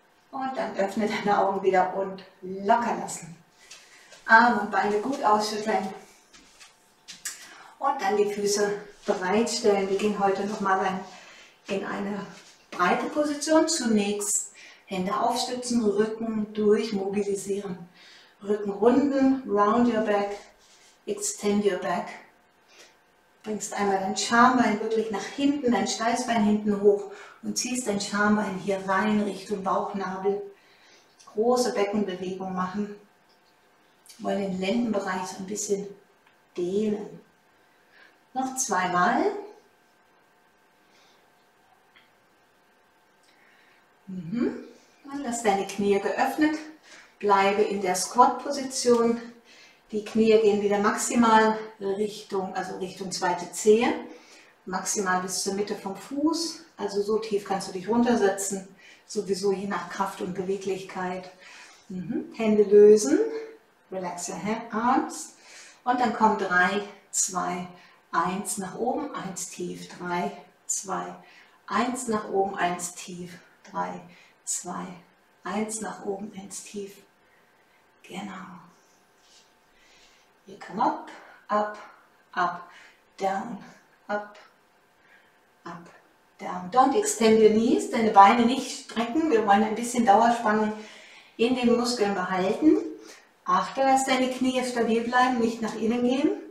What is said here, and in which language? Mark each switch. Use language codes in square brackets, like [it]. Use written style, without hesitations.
[de] Und dann öffne deine Augen wieder und locker lassen. Arme und Beine gut ausschütteln. Und dann die Füße bereitstellen. Wir gehen heute noch mal in eine breite Position. Zunächst Hände aufstützen, Rücken durchmobilisieren. Rücken runden, [en] round your back, extend your back. [de] Bringst einmal dein Schambein wirklich nach hinten, dein Steißbein hinten hoch und ziehst dein Schambein hier rein Richtung Bauchnabel. Große Beckenbewegung machen. Wir wollen den Lendenbereich so ein bisschen dehnen. Noch zweimal. Und lass deine Knie geöffnet, bleibe in der Squat-Position. Die Knie gehen wieder maximal Richtung zweite Zehe, maximal bis zur Mitte vom Fuß. Also so tief kannst du dich runtersetzen, sowieso je nach Kraft und Beweglichkeit. Hände lösen, [en] relax your arms. [de] Und dann komm 3, 2, 1 nach oben, 1 tief, 3, 2, 1 nach oben, 1 tief, 3, 2, 1. Eins nach oben, eins tief. Genau. [en] You come up, up, up, down, up, up, down. Don't extend your knees, [de] deine Beine nicht strecken. Wir wollen ein bisschen Dauerspannung in den Muskeln behalten. Achte, dass deine Knie stabil bleiben, nicht nach innen gehen.